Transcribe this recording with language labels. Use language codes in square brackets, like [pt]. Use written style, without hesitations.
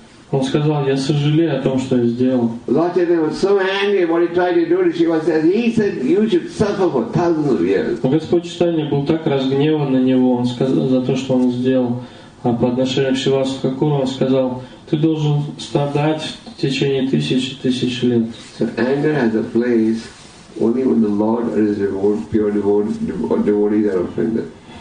[ru] Он сказал, я сожалею о том, что я сделал. [en] Lord Chaitanya was so angry at what he tried to do to Shiva. He said, you should suffer for thousands of years. [ru] Господь Чайтанья был так разгневан на него, он сказал, за то, что он сделал. А по отношению к Шивасу Хакуру он сказал, ты должен страдать в течение тысяч и тысяч лет. [en] So anger has a place. Only when the Lord or his pure devotees are offended.